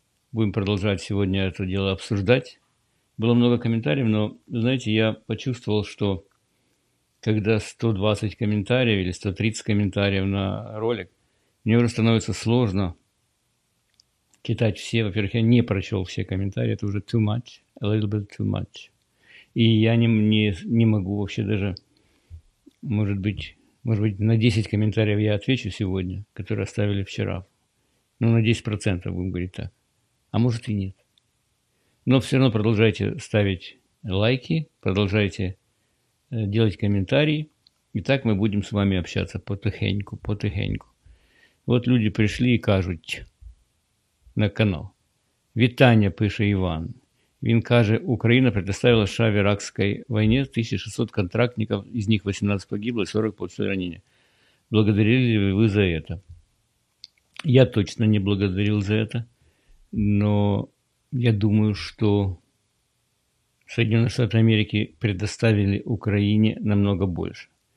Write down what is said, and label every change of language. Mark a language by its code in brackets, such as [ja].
[ru] Будем продолжать сегодня это дело обсуждать. Было много комментариев, но, знаете, я почувствовал, что когда 120 комментариев или 130 комментариев на ролик, мне уже становится сложно читать все. Во-первых, я не прочел все комментарии. Это уже [en] too much, a little bit too much. [ru] И я не могу вообще даже, может быть, на 10 комментариев я отвечу сегодня, которые оставили вчера. Ну, на 10% будем говорить так. А может и нет. Но все равно продолжайте ставить лайки, продолжайте делать комментарии. И так мы будем с вами общаться потихоньку, потихоньку. Вот люди пришли и кажут на канал. [uk] Вітання, пише Іван. Він каже, Україна предоставила США в Іракській війні 1600 контрактників, із них 18 погибло, 40 получили ранення. [ru] Благодарили ли ви за это? Я точно не благодарил за это, но я думаю, что Соединенные Штаты Америки предоставили Украине намного больше.